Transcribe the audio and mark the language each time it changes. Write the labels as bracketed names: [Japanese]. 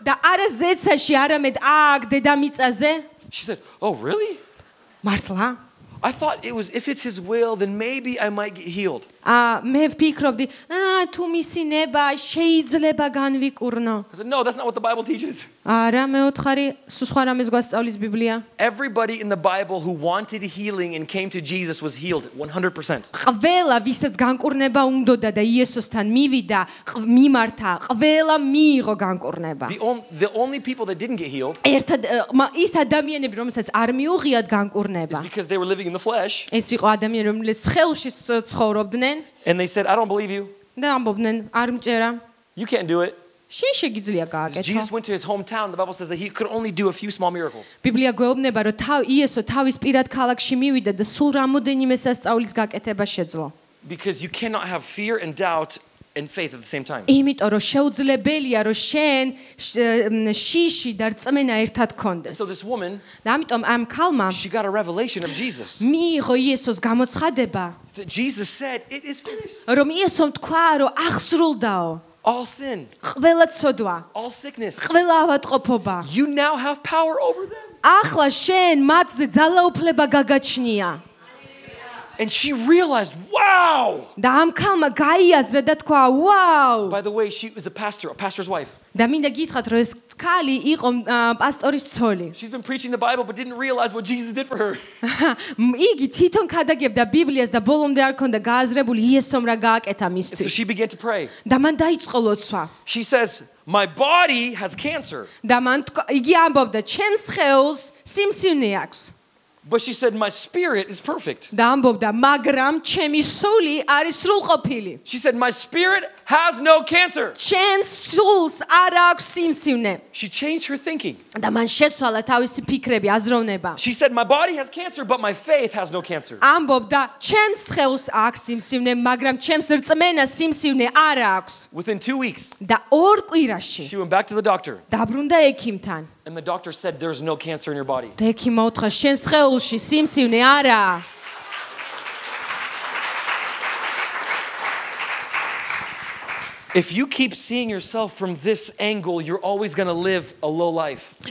[Georgian] და არა ზეცაში, არამედ აქ დედამიწაზე? [English] She said, "Oh, really?" [Georgian] მართლა? [English] I thought it was if it's his will then maybe I might get healed. [Georgian] მე ვფიქრობდი, თუ მისი ნება შეიძლება განვიკურნო. [English] I said, no, that's not what the Bible teaches. [Georgian] არა, მეოთხარი, სულ სხვა რამეს გვასწავლის ბიბლია. [English] Everybody in the Bible who wanted healing and came to Jesus was healed 100%. [Georgian] ყველა ვისაც განკურნება უნდოდა და იესოსთან მივიდა, მიმართა, ყველა მიიღო განკურნება. [English] The only people that didn't get healed. [Georgian] ერთად ის ადამიანები, რომელსაც არ მიუღიათ განკურნება. [English] It's because they were living in the flesh. [Georgian] ეს იყო ადამიანები, რომლებიც ცხელში ცხოვრობდნენ. [English] And they said, I don't believe you. [Georgian] და ამბობდნენ, არ მჭერა. [English] You can't do it. [Georgian] შენ შეგიძლია გააკეთო. [English] Jesus went to his hometown. The Bible says that he could only do a few small miracles. [Georgian] ბიბლია გვეუბნება, რომ იესო თავის პირად ქალაქში მივიდა და სულ რამოდენიმე სასწაულის გაკეთება შეძლო. [English] Because you cannot have fear and doubt and faith at the same time. [Georgian] იმიტომ რომ შეუძლებელია რომ შენ შიში და რწმენა ერთად ქონდეს. [English] So this woman, [Georgian] ამიტომ ამ ქალმა, [English] she got a revelation of Jesus. [Georgian] მიიღო იესოს გამოცხადება. [English] That Jesus said it is finished. [Georgian] რომ იესომ თქვა რომ აღსრულდაო. [English] All sin. [Georgian] ყველა ცოდვა. [English] All sickness. [Georgian] ყველა ავადმყოფობა. [English] You now have power over them. [Georgian] ახლა შენ მათზე ძალაუფლება გაგაჩნია. [English] And she realized, wow. [Georgian] და ამ ქალმა გაიაზრა და თქვა, wow. [English] By the way, she was a pastor's wife. [Georgian] და მინდა გითხრათ, რომ ეს ქალი იყო პასტორის ცოლი. [English] She's been preaching the Bible but didn't realize what Jesus did for her. [Georgian] იგი თვითონ ქადაგებდა ბიბლიას და ბოლომდე არ ჰქონდა გააზრებული იესომ რა გააკეთა მისთვის. [English] So she began to pray. [Georgian] და მან დაიწყო ლოცვა. [English] She says, my body has cancer. [Georgian] და მან იგი ამბობდა, ჩემს ხეულს სიმსივნე აქვს. [English] But she said my spirit is perfect. [Georgian] და ამბობდა, მაგრამ ჩემი სული არის სრულყოფილი. [English] She said my spirit has no cancer. [Georgian] ჩემს სულს არ აქვს სიმსივნე. [English] She changed her thinking. [Georgian] და მან შეცვალა თავისი ფიქრები, აზროვნება. [English] She said my body has cancer but my faith has no cancer. [Georgian] ამბობდა, ჩემს სხეულს აქვს სიმსივნე, მაგრამ ჩემს რწმენას სიმსივნე არ აქვს. [English] Within 2 weeks. [Georgian] და ორ კვირაში. [English] She went back to the doctor. [Georgian] დაბრუნდა ექიმთან. [English] And the doctor said there's no cancer in your body. [Georgian] Teki motra shen sheulshi simsivne ara. [English] If you keep seeing yourself from this angle, you're always going to live a low life.